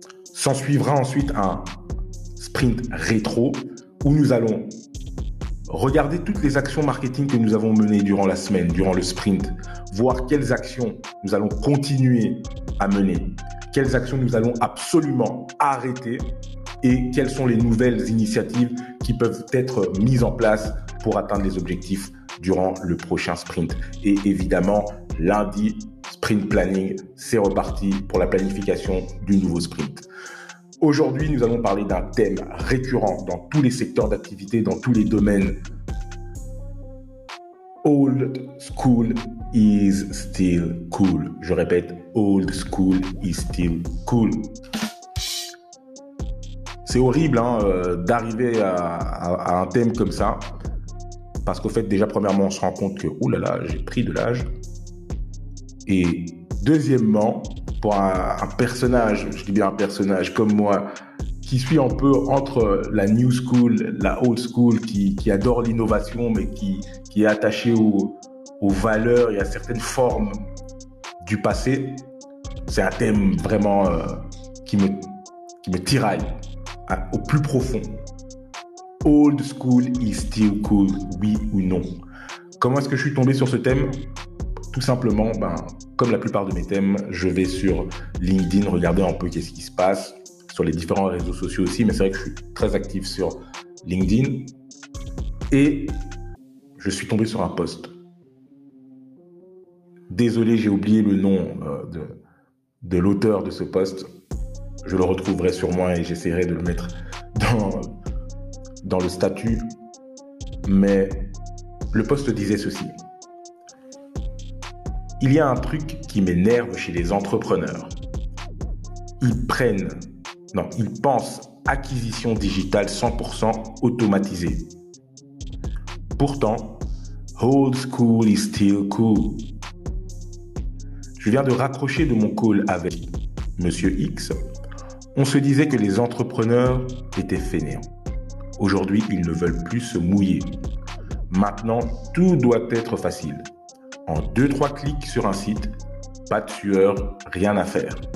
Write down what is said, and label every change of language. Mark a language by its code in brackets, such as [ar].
[fr] S'en suivra ensuite un sprint rétro où nous allons regarder toutes les actions marketing que nous avons menées durant la semaine, durant le sprint, voir quelles actions nous allons continuer à mener, quelles actions nous allons absolument arrêter et quelles sont les nouvelles initiatives qui peuvent être mises en place pour atteindre les objectifs durant le prochain sprint. Et évidemment, lundi, sprint planning, c'est reparti pour la planification du nouveau sprint. Aujourd'hui, nous allons parler d'un thème récurrent dans tous les secteurs d'activité, dans tous les domaines. [en] Old school is still cool. [fr] Je répète, [en] old school is still cool. [fr] C'est horrible hein, d'arriver à un thème comme ça. Parce qu'au fait, déjà, premièrement, on se rend compte que, oulala, j'ai pris de l'âge. Et deuxièmement, pour un personnage, je dis bien un personnage comme moi, qui suis un peu entre la new school, la old school, qui adore l'innovation, mais qui est attaché aux valeurs et à certaines formes du passé, c'est un thème vraiment qui me tiraille au plus profond. [en] Old school is still cool, oui ou non? [fr] Comment est-ce que je suis tombé sur ce thème? Tout simplement, ben, comme la plupart de mes thèmes, je vais sur LinkedIn, regarder un peu qu'est-ce qui se passe, sur les différents réseaux sociaux aussi, mais c'est vrai que je suis très actif sur LinkedIn. Et je suis tombé sur un post. Désolé, j'ai oublié le nom de l'auteur de ce post. Je le retrouverai sûrement et j'essaierai de le mettre dans le statut. Mais le post disait ceci. Il y a un truc qui m'énerve chez les entrepreneurs. Ils pensent acquisition digitale 100% automatisée. Pourtant, [en] old school is still cool. [fr] Je viens de raccrocher de mon call avec Monsieur X. On se disait que les entrepreneurs étaient fainéants. Aujourd'hui, ils ne veulent plus se mouiller. Maintenant, tout doit être facile. En 2-3 clics sur un site, pas de sueur, rien à faire.